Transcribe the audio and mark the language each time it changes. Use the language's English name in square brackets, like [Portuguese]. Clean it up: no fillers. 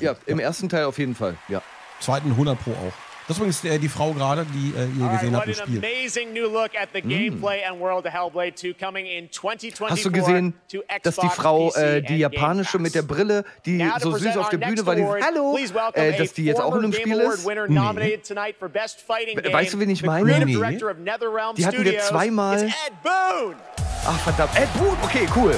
[German] Ja, im ersten Teil auf jeden Fall, ja. Zweiten 100 pro auch. Das ist übrigens die Frau gerade, die ihr gesehen habt im Spiel. [English] Amazing new look at the gameplay and world of Hellblade 2 coming in 2024. [German] Hast du gesehen, dass die Frau, die japanische mit der Brille, die so süß auf der Bühne war, die hallo, dass die jetzt auch in dem Spiel ist? Nee. Weißt du, wen ich meine? Nee. Die hatten wir zweimal. Ach, verdammt. Ed Boon, okay, cool.